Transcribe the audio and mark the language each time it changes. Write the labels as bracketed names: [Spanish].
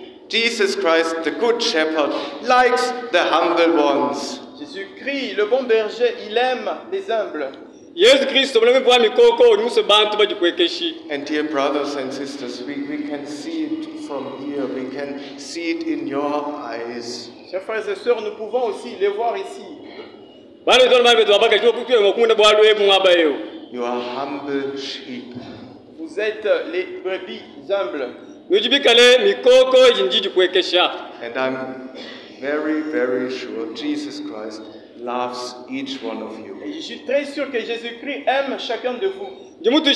[English] Jesus Christ, the good shepherd, likes the humble ones. [French] Jésus-Christ, le bon berger, il aime les humbles. [English] And dear brothers and sisters, we can see it from here, we can see it in your eyes. [French] Chers frères et sœurs, nous pouvons aussi les voir ici. [English] You are humble sheep. [French] Vous êtes les brebis humbles. [English] And I'm very, very sure Jesus Christ loves each one of you. [French] Et je suis très sûr que Jésus-Christ aime chacun de vous.